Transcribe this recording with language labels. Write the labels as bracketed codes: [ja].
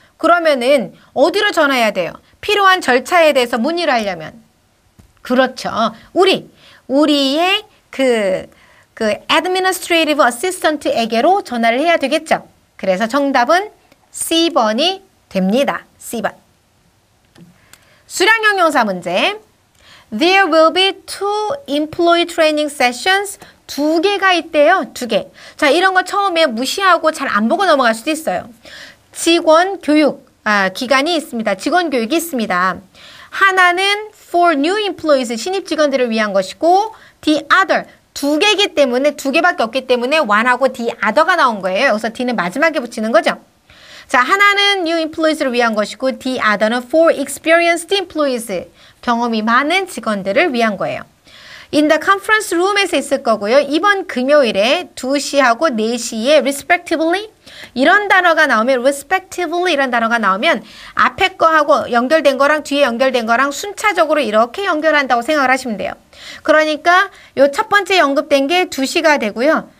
[ko] 그러면은 어디로 전화해야 돼요? 필요한 절차에 대해서 문의를 하려면. 그렇죠. 우리의 그 Administrative Assistant에게로 전화를 해야 되겠죠? 그래서 정답은 C번이 됩니다. C번. 수량형 용사 문제. [en] There will be two employee training sessions. [ko] 두 개가 있대요. 두 개. 자, 이런 거 처음에 무시하고 잘 안 보고 넘어갈 수도 있어요. 직원 교육 기간이 있습니다. 직원 교육이 있습니다. 하나는 [en] for new employees, [ko] 신입 직원들을 위한 것이고 the other, 두 개이기 때문에 두 개밖에 없기 때문에 one하고 the other가 나온 거예요. 여기서 the는 마지막에 붙이는 거죠. 자, 하나는 new employees를 위한 것이고 the other는 [en] for experienced employees, [ko] 경험이 많은 직원들을 위한 거예요. [en] In the conference room에서 [ko] 있을 거고요. 이번 금요일에 2시하고 4시에 respectively 이런 단어가 나오면 respectively 이런 단어가 나오면 앞에 거하고 연결된 거랑 뒤에 연결된 거랑 순차적으로 이렇게 연결한다고 생각을 하시면 돼요. 그러니까 요 첫 번째 언급된 게 2시가 되고요.